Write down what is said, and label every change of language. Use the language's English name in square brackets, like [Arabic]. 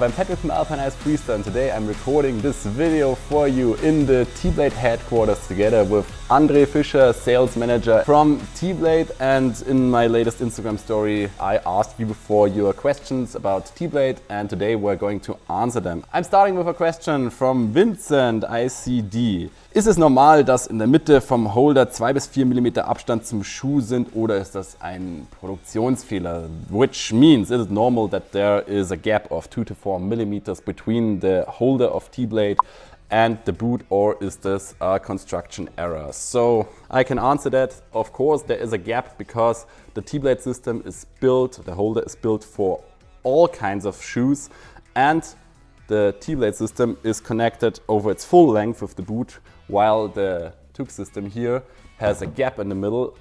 [English] I'm Patrick from Alpine, hast Freestyle, and today I'm recording this video for you in the tblade headquarters together with André Fischer, sales manager from tblade. And in my latest Instagram story, I asked you before your questions about tblade, and today we're going to answer them. I'm starting with a question from Vincent ICD. [German] Ist es normal, dass in der Mitte vom Holder 2 bis 4 mm Abstand zum Schuh sind, oder ist das ein Produktionsfehler? [English] Which means, is it normal that there is a gap of 2 to 4 mm between the holder of tblade and the boot, or is this a construction error? So I can answer that. Of course there is a gap, because the tblade system is built, the holder is built for all kinds of shoes, and the tblade system is connected over its full length with the boot, while the Tuk system here has a gap in the middle.